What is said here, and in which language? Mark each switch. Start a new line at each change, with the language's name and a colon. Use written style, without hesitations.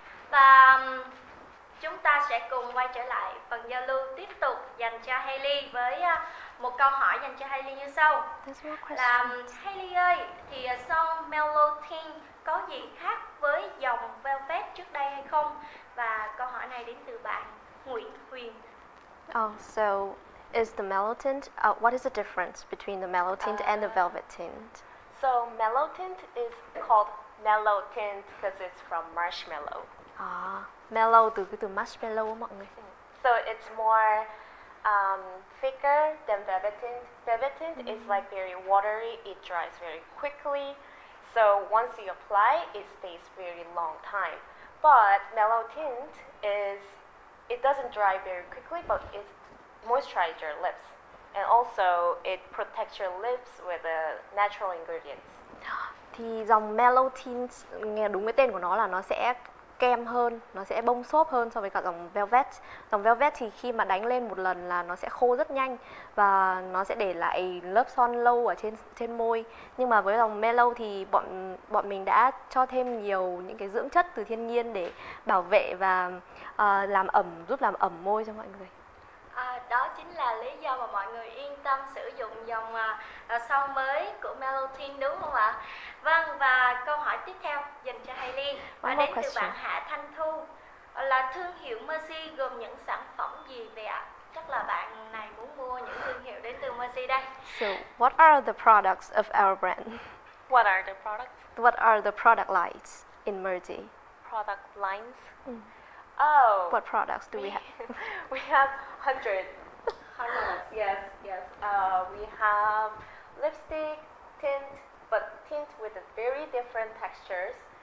Vietnamese: Và chúng ta sẽ cùng quay trở lại phần giao lưu tiếp tục dành cho Hailey với một câu hỏi dành cho Hailey như sau. Là Hailey ơi, thì son Mellow Tint có gì khác với dòng Velvet trước đây hay không? Và câu hỏi này đến từ bạn Nguyễn Huyền.
English: Oh, so is the Mellow Tint, what is the difference between the Mellow Tint and the Velvet Tint? So Mellow Tint is called Mellow Tint because it's from marshmallow.
Vietnamese: Ah, mellow từ cái từ marshmallow á mọi người.
English: So it's more thicker than Velvet Tint. Velvet Tint is like very watery, it dries very quickly. So once you apply, it stays very long time. But Mellow Tint is, it doesn't dry very quickly, but it moisturizes your lips. And also, it protects your lips with the natural ingredients.
Vietnamese: Thì dòng Mellow Tint, nghe đúng cái tên của nó là nó sẽ kem hơn, nó sẽ bông xốp hơn so với cả dòng Velvet. Dòng Velvet thì khi mà đánh lên một lần là nó sẽ khô rất nhanh và nó sẽ để lại lớp son lâu ở trên môi. Nhưng mà với dòng Mellow thì bọn mình đã cho thêm nhiều những cái dưỡng chất từ thiên nhiên để bảo vệ và làm ẩm, giúp làm ẩm môi cho mọi người. Đó chính là lý do mà mọi người yên tâm sử dụng dòng son mới của Mellow Tint đúng không ạ? Vâng, và câu hỏi tiếp theo dành cho Hailey và đến từ bạn Hạ Thanh Thu. Là thương hiệu Mercy gồm những sản phẩm gì vậy ạ? Chắc là bạn này muốn mua những thương hiệu đến từ Mercy đây.
English: So, what are the products of our brand? What are the products? What are the product lines in Mercy? Product lines? Oh, what products do we have? We have hundreds. Yes. We have lipstick, tint, but tint with a very different textures.